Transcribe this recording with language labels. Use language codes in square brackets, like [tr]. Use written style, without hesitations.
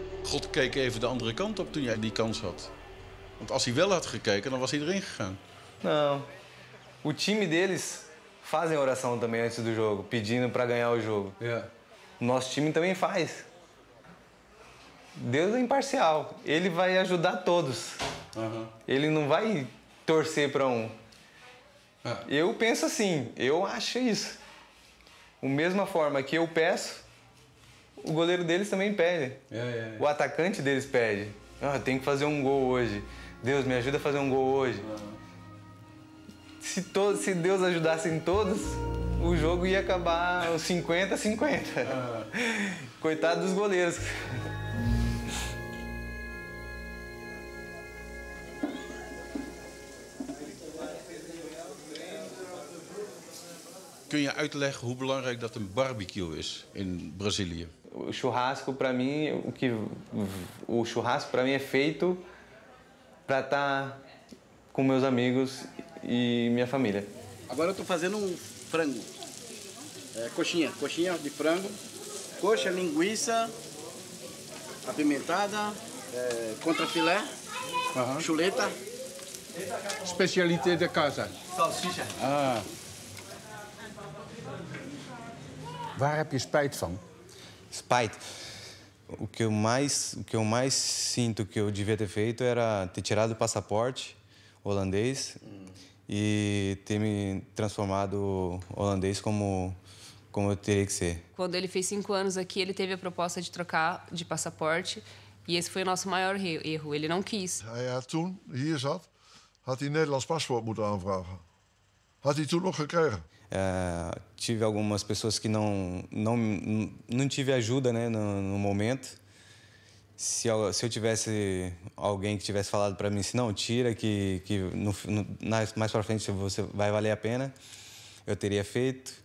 [nl] God keek even de andere kant op toen jij die kans had. Want als hij wel had gekeken, dan was hij erin gegaan. [pt] Não. O time deles fazem oração também antes do jogo, pedindo para ganhar o jogo. Yeah. Nosso time também faz. Deus é imparcial. Ele vai ajudar todos. Ele não vai torcer para um. Eu penso assim, eu acho isso. Da mesma forma que eu peço, o goleiro deles também pede. Yeah. O atacante deles pede. Ah, tem que fazer um gol hoje. Deus, me ajuda a fazer um gol hoje. Se Deus ajudasse em todos, o jogo ia acabar 50-50. Coitado dos goleiros. [nl] Kun je uitleggen hoe belangrijk dat een barbecue is in Brazilië? [pt] O churrasco para mim é feito para estar com meus amigos e minha família. Agora eu estou fazendo um frango, coxinha de frango, coxa, linguiça, apimentada, contrafilé, chuleta. Especialidade da casa? Salsicha. Ah. [nl] Waar heb je spijt van? Spijt. [pt] O que eu mais sinto que eu devia ter feito era ter tirado o passaporte holandês e ter me transformado holandês como eu teria que ser. Quando ele fez 5 anos aqui, ele teve a proposta de trocar de passaporte e esse foi o nosso maior erro. Ele não quis. [nl] Hij toen hier zat, had hij Nederlands paspoort moeten aanvragen? Had hij toen nog gekregen? [pt] Tive algumas pessoas que não tive ajuda, né, no momento. Se eu tivesse alguém que tivesse falado para mim, se não tira que mais para frente você vai valer a pena, eu teria feito.